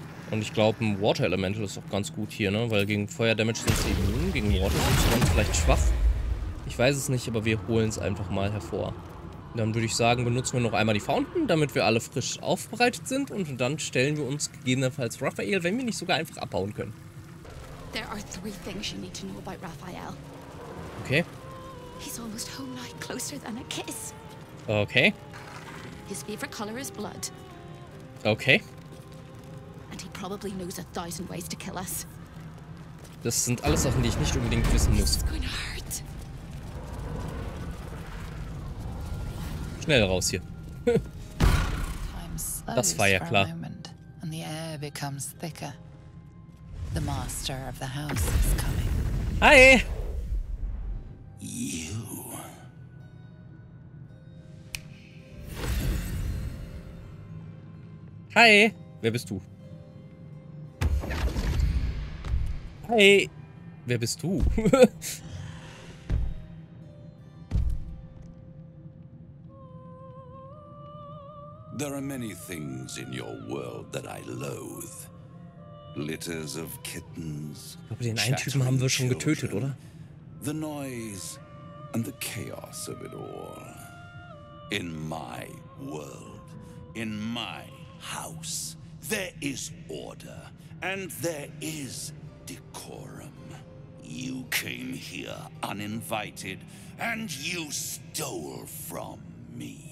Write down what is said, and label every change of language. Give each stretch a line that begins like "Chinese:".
German: Und ich glaube, ein Water Elemental ist auch ganz gut hier, ne? Weil gegen Feuer Damage sind sie immun, gegen Water sind sie vielleicht schwach. Ich weiß es nicht, aber wir holen es einfach mal hervor. Dann würde ich sagen, benutzen wir noch einmal die Fountain, damit wir alle frisch aufbereitet sind. Und dann stellen wir uns gegebenenfalls Raphael, wenn wir nicht sogar einfach abhauen können.
English: There are three things you need to know about Raphael. Okay. He's almost home like closer than a kiss. Okay. His favorite color is blood. Okay. And he probably knows a thousand ways to kill us.
German: Das sind alles Sachen, die ich nicht unbedingt wissen muss.
English: It's going to hurt.
German: Schnell raus hier. Das war ja klar.
English: And the air becomes thicker. The master of the house is coming. Hi. You.
German: Hi, wer bist du? Hi, wer bist du?
English: There are many things in your world that I loathe. Litters of kittens.
German: Ich glaube, den einen Typen haben wir schon getötet, oder?
English: The noise and the chaos of it all. In my world, in my house, there is order and there is decorum. You came here uninvited and you stole from me.